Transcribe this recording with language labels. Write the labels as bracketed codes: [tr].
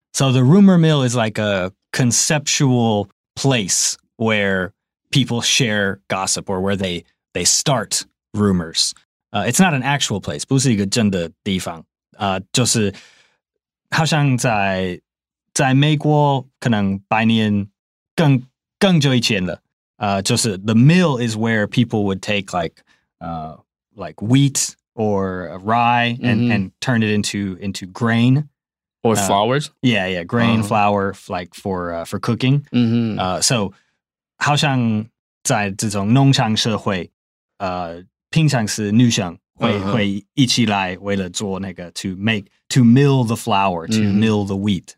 [en] So the rumor mill is like a conceptual place where people share gossip or where they start rumors. It's not an actual place, [zh] 不是一个真的地方。就是好像在美国可能百年更久以前了。就是 [en] the mill is where people would take like wheat or rye and turn it into grain. Or flours? Yeah, grain, flour, like for cooking. Mm-hmm. [zh] So 好像在这种农场社会平常是女生会一起来为了做那个 [en] to mill the flour, to mill the wheat.